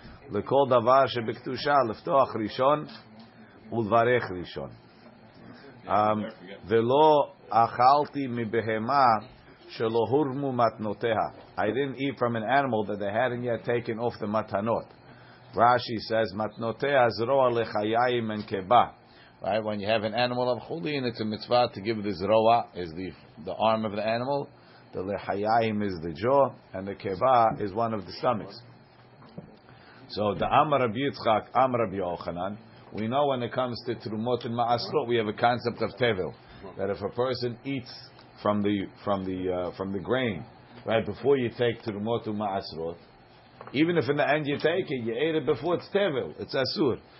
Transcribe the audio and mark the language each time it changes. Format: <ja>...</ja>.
<he>לכל דבר שבקדושה לפתוח ראשון ולברך ראשון ולא אכלתי מבהמה שלא הורמו מתנותיה.</he> <en>I didn't eat from an animal that they hadn't yet taken off the מתנות. Rashi says</en> <he>מתנותיה זרוע לחיים ונקבה.</he> <en>Right, when you have an animal of chulin, it's a mitzvah to give the zroa, zrua is the arm of the animal, the lechayim is the jaw, and the keba is one of the stomachs. So the Amar Rabbi Yitzchak, Amar Rabbi Yochanan, we know when it comes to Terumot and Ma'asrot, we have a concept of Tevil, that if a person eats from the grain, right before you take Terumot and Ma'asrot, even if in the end you take it, you ate it before, it's Tevil, it's Asur.</en>